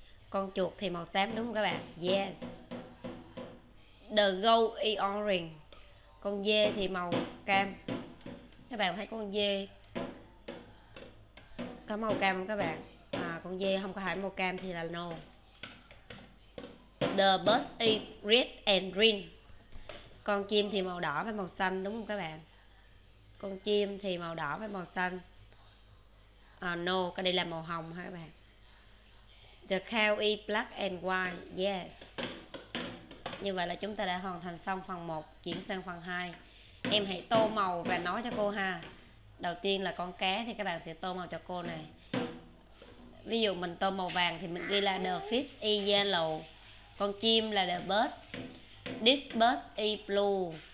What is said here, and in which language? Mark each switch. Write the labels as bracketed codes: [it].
[vi] Con chuột thì màu xám đúng không các bạn? [en] Yes. The goat is orange. [vi] Con dê thì màu cam. Các bạn thấy con dê có màu cam không các bạn? Con dê không có hai màu cam thì là no. [en] The bird is red and green. [vi] Con chim thì màu đỏ với màu xanh đúng không các bạn? Con chim thì màu đỏ với màu xanh. No, cái đây là màu hồng ha các bạn. [en] The cow is black and white. Yes. [vi] Như vậy là chúng ta đã hoàn thành xong phần 1, chuyển sang phần 2. Em hãy tô màu và nói cho cô ha. Đầu tiên là con cá thì các bạn sẽ tô màu cho cô này. Ví dụ mình tô màu vàng thì mình ghi là [en] the fish is yellow. [vi] Con chim là [en] the bird. This bird is blue.